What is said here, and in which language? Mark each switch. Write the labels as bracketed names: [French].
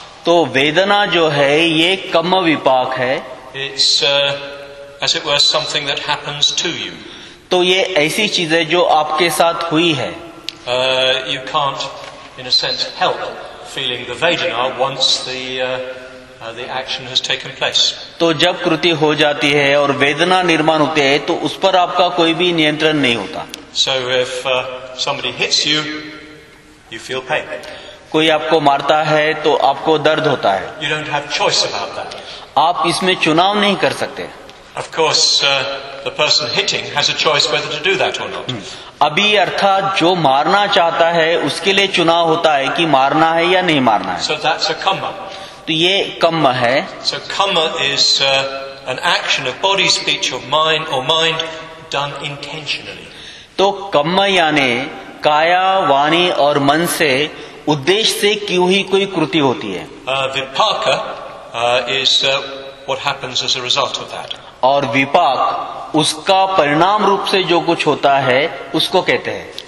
[Hindi] तो वेदना जो है ये कर्म विपाक है. [English] It's as it were something that happens to you. [Hindi] तो ये ऐसी चीज है जो आपके साथ हुई है. [English] You can't in a sense help feeling the vedana once the action has taken place. [Hindi] तो जब कृति हो जाती है और वेदना निर्माण होते है, तो उस पर आपका कोई भी नियंत्रण नहीं होता. [English] So if somebody hits you, you feel pain. [Hindi] कोई आपको मारता है तो आपको दर्द होता है. [English] You don't have choice about that. [Hindi] आप इसमें चुनाव नहीं कर सकते. [English] Of course, the person hitting has a choice whether to do that or not. [Hindi] अभी अर्थात जो मारना चाहता है उसके लिए चुनाव होता है कि मारना है या नहीं मारना है. [English] So that's a karma. [Hindi] तो ये कर्म है. [English] So karma is an action of body, speech or mind done intentionally. [Hindi] तो कर्म यानी काया, वाणी और मन से उद्देश्य से क्यों ही कोई कृति होती है. [English] Vipaka is what happens as a result of that. [Hindi] और विपाक उसका परिणाम रूप से जो कुछ होता है उसको कहते हैं.